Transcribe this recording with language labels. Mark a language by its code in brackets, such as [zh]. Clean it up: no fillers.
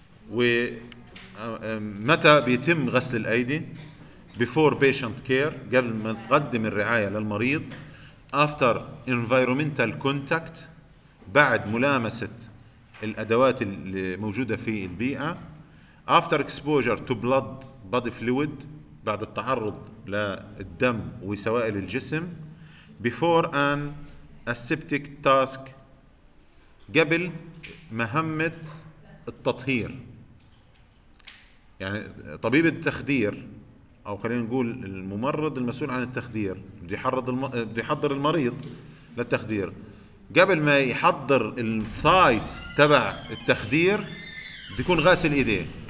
[ar] ومتى بيتم غسل الأيدي؟ [en] Before patient care [ar] قبل ما تقدم الرعاية للمريض. [en] After environmental contact [ar] بعد ملامسة الأدوات الموجودة في البيئة. [en] After exposure to blood body fluid [ar] بعد التعرض للدم وسوائل الجسم. [en] Before an aseptic task [ar] قبل مهمة التطهير. يعني طبيب التخدير أو خلينا نقول الممرض المسؤول عن التخدير بدي يحضر المريض للتخدير. قبل ما يحضر السايت تبع التخدير بدي يكون غاسل إيديه.